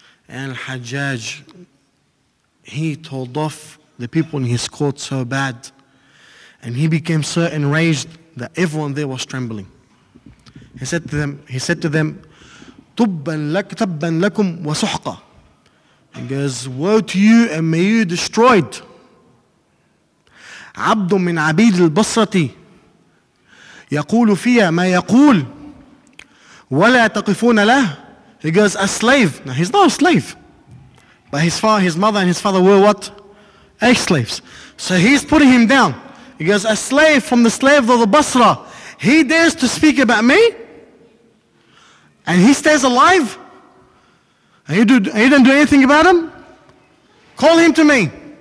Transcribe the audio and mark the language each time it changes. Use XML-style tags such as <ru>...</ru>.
<en>And Al-Hajjaj, he told off the people in his court so bad, and he became so enraged that everyone there was trembling. He said to them, tubban lakum wa suhqa. He goes, woe to you and may you destroyed.</en> <ar>عبد من عبيد البصرة يقول فيها ما يقول ولا تقفون له.</ar> <en>He goes, a slave. Now he's not a slave. But his father, his mother and his father were what? Ex-slaves. So he's putting him down. He goes, a slave from the slaves of the Basra. He dares to speak about me? And he stays alive? And he didn't do anything about him? Call him to me.</en>